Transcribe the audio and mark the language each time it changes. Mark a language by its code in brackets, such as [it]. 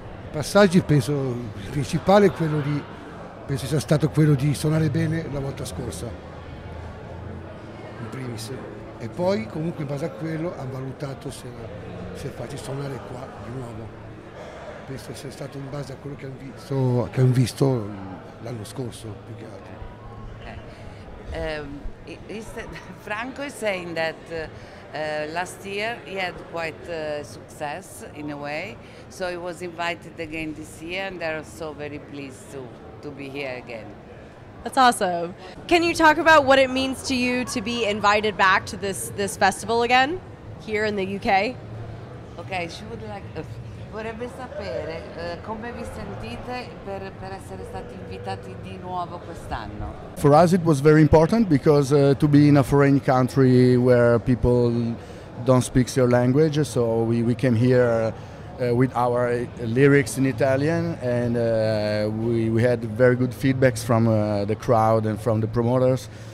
[it] Passaggi penso principale quello di penso sia stato quello di suonare bene la volta scorsa, in primis. E poi comunque in base a quello ha valutato se, se farci suonare qua di nuovo. Penso sia stato in base a quello che hanno visto, l'anno scorso più che altro. [en] Franco is saying that last year he had quite success in a way, so he was invited again this year, and they're so very pleased to be here again. That's awesome. Can you talk about what it means to you to be invited back to this festival again here in the UK? Okay, she would like. [it] Vorrebbe sapere come vi sentite per essere stati invitati di nuovo quest'anno. [en] For us it was very important because to be in a foreign country where people don't speak your language, so we came here with our lyrics in Italian, and we had very good feedbacks from the crowd and from the promoters.